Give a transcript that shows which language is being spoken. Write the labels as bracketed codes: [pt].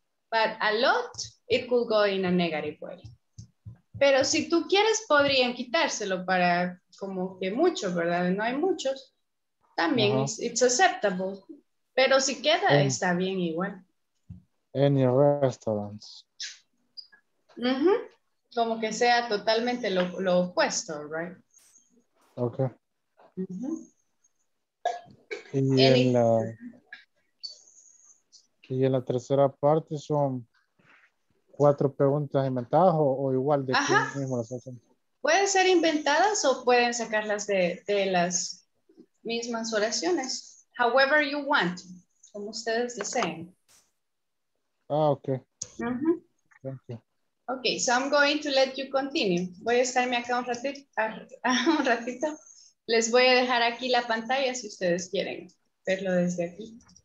[en] But a lot, it could go in a negative way. [es] Pero si tú quieres, podrían quitárselo para como que mucho, ¿verdad? No hay muchos. También uh-huh. [en] it's acceptable. [es] Pero si queda, está bien igual. [en] Any restaurants. [es] Uh-huh. Como que sea totalmente lo opuesto, right? Okay. Uh-huh. Y en la tercera parte son cuatro preguntas inventadas o igual de que mismo las hacen. Pueden ser inventadas o pueden sacarlas de las mismas oraciones. [en] However you want, [es] como ustedes deseen. Ah, okay. Uh-huh. [en] Thank you. Okay, so I'm going to let you continue. [es] Voy a estarme acá un ratito. Les voy a dejar aquí la pantalla si ustedes quieren verlo desde aquí.